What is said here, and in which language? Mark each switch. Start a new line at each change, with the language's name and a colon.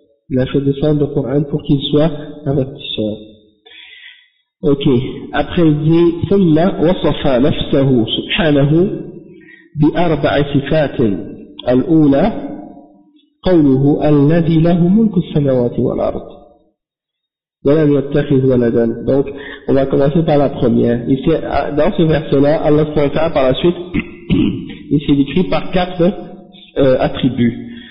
French: Il a fait descendre le Coran pour qu'il soit un avertisseur. Ok. Après, il dit
Arabic: ثم وصف نفسه سبحانه بأربع صفات. الأولى قوله الذي له ملك السماوات والأرض ولم يتخذ ولدا.
French: Donc, on va commencer par la première. Ici, dans ce verset-là, Allah s'en fait par la suite, il s'est décrit par quatre attributs.